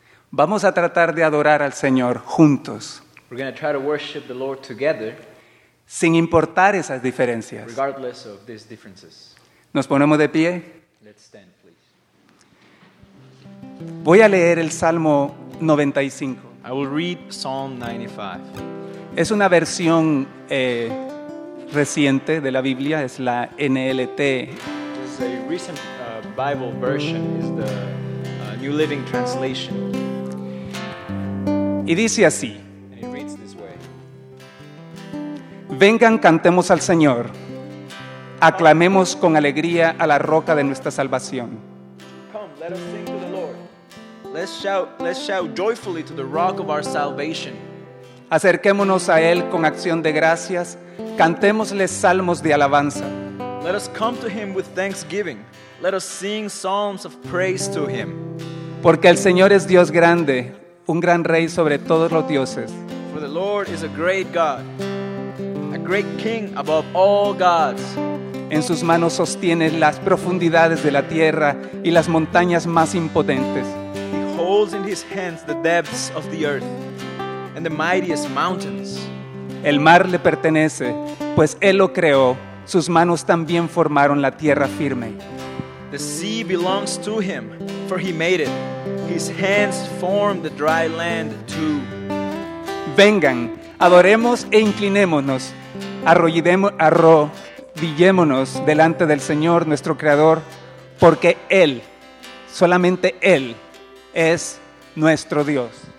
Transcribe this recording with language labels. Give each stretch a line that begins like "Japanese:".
Spanish: Vamos a tratar de adorar al Señor juntos.
English: We're going to try to worship the Lord together.
Spanish: Sin importar esas diferencias.
English: Regardless of these differences.
Spanish: Nos ponemos de pie.
English: Let's stand, please.
Spanish: Voy a leer el Salmo 95.
English: I will read Psalm 95.
Spanish: Es una versión reciente de la Biblia. Es la NLT.
English: This is a recent Bible version, is the New Living Translation.
Spanish: Y dice así.
English: And it reads this way.
Spanish: Vengan, cantemos al Señor. Aclamemos con alegría a la roca de nuestra salvación.
English: Come, let us sing to the Lord. Let's shout joyfully to the rock of our salvation.
Spanish: Acerquémonos a Él con acción de gracias. Cantémosle salmos de alabanza.
English: Let us come to Him with thanksgiving. Let us sing psalms of praise to Him.
Spanish: Porque el Señor es Dios grande, un gran rey sobre todos los dioses.
English: For the Lord is a great God, a great King above all gods.
Spanish: En sus manos sostiene las profundidades de la tierra y las montañas más impotentes.
English: He holds in his hands the depths of the earth and the mightiest mountains.
Spanish: El mar le pertenece, pues él lo creó. Sus manos también formaron la tierra firme.
English: The sea belongs to him, for he made it. His hands formed the dry land too.
Spanish: Vengan, adoremos e inclinémonos, arrodillémonos delante del Señor, nuestro Creador, porque Él, solamente Él, es nuestro Dios.